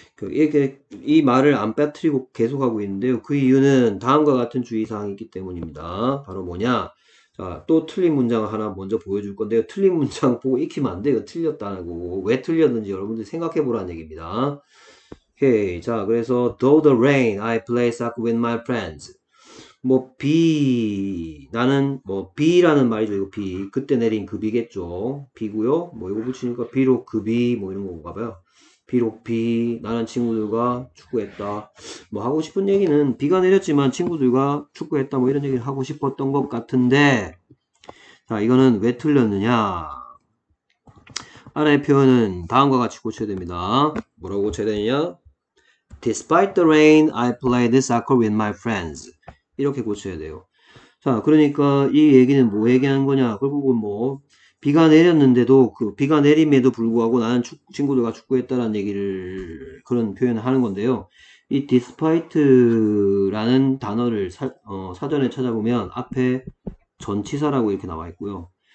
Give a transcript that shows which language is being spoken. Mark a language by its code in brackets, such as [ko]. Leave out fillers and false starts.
[ko] 이렇게 이 말을 안 빼뜨리고 계속하고 있는데요. 그 이유는 다음과 같은 주의사항이 있기 때문입니다. 바로 뭐냐? 자, 또 틀린 문장을 하나 먼저 보여줄 건데요. 틀린 문장 보고 익히면 안 돼요. 틀렸다고. 왜 틀렸는지 여러분들 생각해 보라는 얘기입니다. 오케이. 자, 그래서 [en] Though the rain, I play soccer with my friends. [ko] 뭐 비, 나는 뭐 비라는 말이죠. 이거 비, 그때 내린 그 비겠죠. 비고요. 뭐 이거 붙이니까 비록 그비뭐 이런 건가 봐요. 비록 비, 나는 친구들과 축구했다. 뭐 하고 싶은 얘기는 비가 내렸지만 친구들과 축구했다. 뭐 이런 얘기를 하고 싶었던 것 같은데, 자, 이거는 왜 틀렸느냐? 아래 표현은 다음과 같이 고쳐야 됩니다. 뭐라고 고쳐야 되느냐? [en] Despite the rain, I played soccer with my friends. [ko] 이렇게 고쳐야 돼요. 자, 그러니까 이 얘기는 뭐 얘기하는 거냐? 결국은 뭐 비가 내렸는데도 그 비가 내림에도 불구하고 나는 친구들과 축구했다라는 얘기를 그런 표현을 하는 건데요. 이 despite라는 단어를 사전에 찾아보면 앞에 전치사라고 이렇게 나와 있고요.